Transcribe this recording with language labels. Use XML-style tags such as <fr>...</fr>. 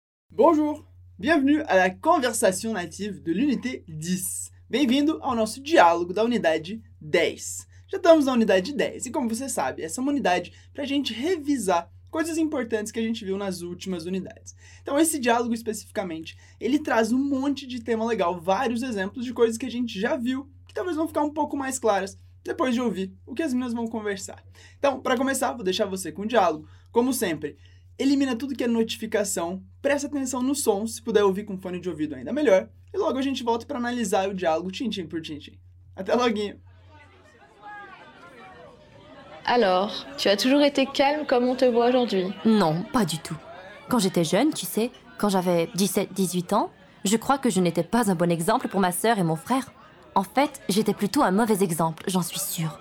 <fr>Bonjour, bienvenue à la conversation native de l'unité 10.</fr> <pt>Bem-vindo ao nosso diálogo da unidade 10. Já estamos na unidade 10 e, como você sabe, essa é uma unidade para a gente revisar coisas importantes que a gente viu nas últimas unidades. Então, esse diálogo especificamente, ele traz um monte de tema legal, vários exemplos de coisas que a gente já viu, que talvez vão ficar um pouco mais claras depois de ouvir o que as meninas vão conversar. Então, para começar, vou deixar você com o diálogo, como sempre. Elimina tudo que é notificação, presta atenção no som, se puder ouvir com fone de ouvido ainda melhor, e logo a gente volta para analisar o diálogo tintim por tintim. Até loguinho!</pt> <fr>Alors, tu as toujours été calme comme on te voit aujourd'hui? Non, pas du tout. Quand j'étais jeune, tu sais, quand j'avais 17-18 ans, je crois que je n'étais pas un bon exemple pour ma sœur et mon frère. En fait, j'étais plutôt un mauvais exemple, j'en suis sûre.</fr>